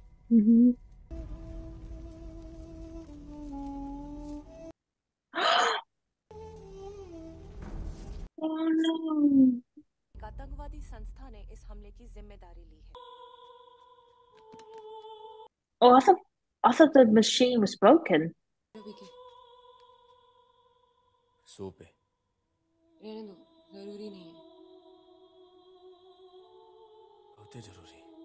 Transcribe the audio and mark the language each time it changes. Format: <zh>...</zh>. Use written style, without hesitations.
<hi>आतंकवादी संस्था ने इस हमले की जिम्मेदारी ली है।</hi> <en>Oh, I thought the machine was broken.</en> <hi>Soap है। रहने दो, जरूरी नहीं है। बहुत जरूरी।</hi>